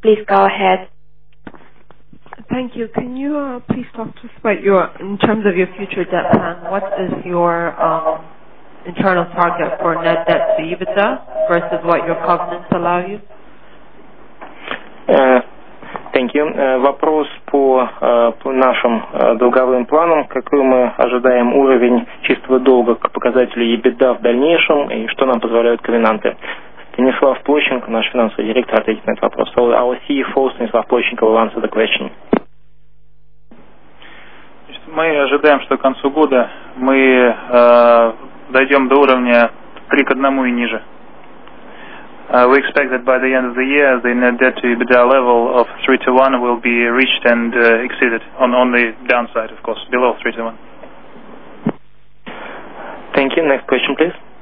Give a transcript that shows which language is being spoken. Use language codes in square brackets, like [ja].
[en] Please go ahead. Thank you. Can you please talk to us about your, in terms of your future debt plan, what is your internal target for net debt to EBITDA versus what your covenants allow you? Thank you. [ru] Вопрос по нашим долговым планам, какой мы ожидаем уровень чистого долга к показателю EBITDA в дальнейшем и что нам позволяют ковенанты. Станислав Площенко, наш финансовый директор, ответит на этот вопрос. [en] So our CFO, Станислав Площенко, will answer the question. [ru] Значит, мы ожидаем, что к концу года мы дойдем до уровня 3 к 1 и ниже. [en] We expect that by the end of the year, the net debt to EBITDA level of 3-1 will be reached and exceeded on the downside, of course, below 3-1. Thank you. Next question, please.